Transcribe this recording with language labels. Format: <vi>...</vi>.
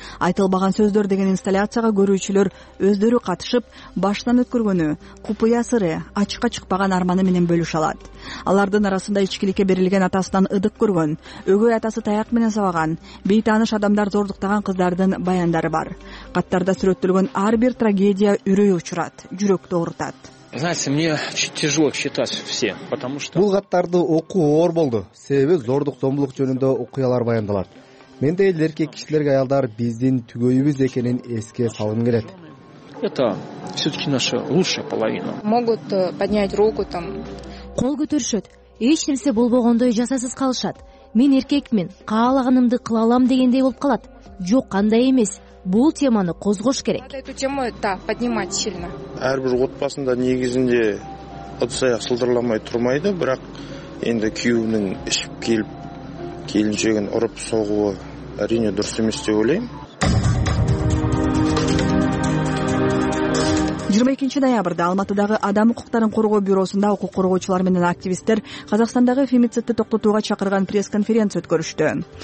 <ky>Айтылбаган сөздөр деген инсталляцияга көрүүчүлөр өздөрү катышып, баштан өткөргөнү, купуя сыры, ачыкка чыкпаган арманы менен бөлүшө алат. Алардын арасында ичкиликке берилген атасынан ыдык көргөн, өгөй атасы таяк менен сабаган, бейтааныш адамдар зордуктаган кыздардын баяндары бар. Каттарда сүрөттөлгөн ар бир трагедия үрөй учурат, жүрөктү оорутат.</ky> <ru>Знаете, мне очень тяжело читать все, потому что</ru> <ky>бул каттарды окуу оор болду. Себеби зордук зомбулук жөнүндө окуялар баяндалат. Менде эле эркек кишилерге аялдар биздин түгөйүбүз экенин эске салгым келет.</ky> <ru>Это всё-таки наша лучшая половина. Могут поднять руку там.</ru> <ky>Кол көтөрүшөт. Эч нерсе болбогондой жасасыз калышат. Мен эркекмин, каалаганымды кыла алам дегендей болуп калат. Жок, кандай эмес. Бул теманы козгош керек.</ky> <ru>Надо эту тему, да, поднимать сильно.</ru> <kk>Ар бир отбасында негизинде ыдыс аяк сылдырламай турмайды, бирок энди күйөөнүн ишип келип, келинчегин уруп согуу арине дурус эмес деп ойлойм.</kk> <ky>22 ноябрда Алматыдагы адам укуктарын коргоо бюросунда укук коргоочулар менен активисттер Казакстандагы фемицидди токтотууга чакырган пресс-конференция өткөрүштү.</ky>